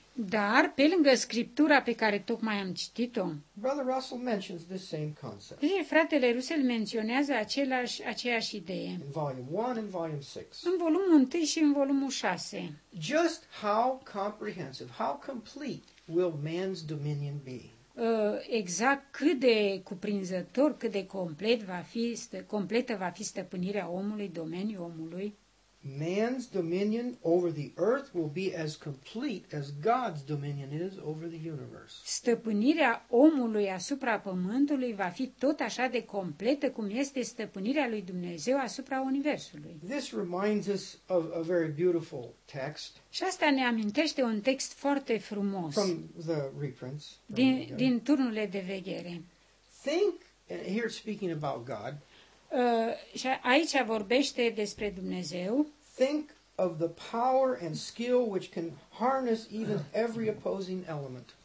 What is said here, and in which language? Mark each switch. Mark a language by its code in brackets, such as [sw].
[ro] dar, pe lângă scriptura pe care tocmai am citit-o, [en] Brother Russell mentions the same concept. [ro] Și fratele Russell menționează aceeași idee. [en] In volume 1 and volume 6. [ro] În volumul 1 și în volumul 6. [en] Just how comprehensive, how complete will man's dominion be? [ro] Exact cât de cuprinzător, cât de complet va fi, completă va fi stăpânirea omului, domeniul omului. [en] Man's dominion over the earth will be as complete as God's dominion is over the universe. [ro] Stăpânirea omului asupra pământului va fi tot așa de completă cum este stăpânirea lui Dumnezeu asupra universului. [en] This reminds us of a very beautiful text. [ro] Și asta ne amintește un text foarte frumos. [en] From the reprints. [ro] Din turnurile de veghere. [en] Think, here speaking about God. [ro] Și aici vorbește despre Dumnezeu. [en] Think of the power and skill which can harness even every opposing element.